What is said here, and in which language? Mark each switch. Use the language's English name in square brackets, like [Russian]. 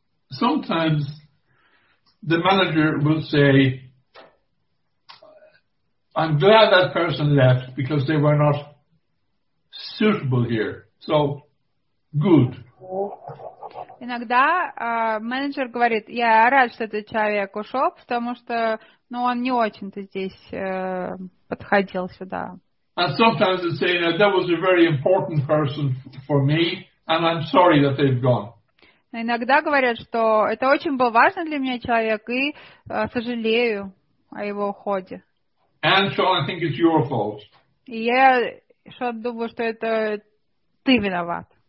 [English] Sometimes the manager will say, I'm glad that person left because they were not suitable here. So, good. [Russian] Иногда менеджер говорит, я рад, что этот человек ушел, потому что ну, он не очень-то здесь подходил сюда. [English] And sometimes they say, no, that was a very important person for me, and I'm sorry that they've gone. [Russian] Иногда говорят, что это очень был важный для меня человек, и сожалею о его уходе. [English] And so I think it's your fault. [Russian] И я еще думаю, что это ты виноват.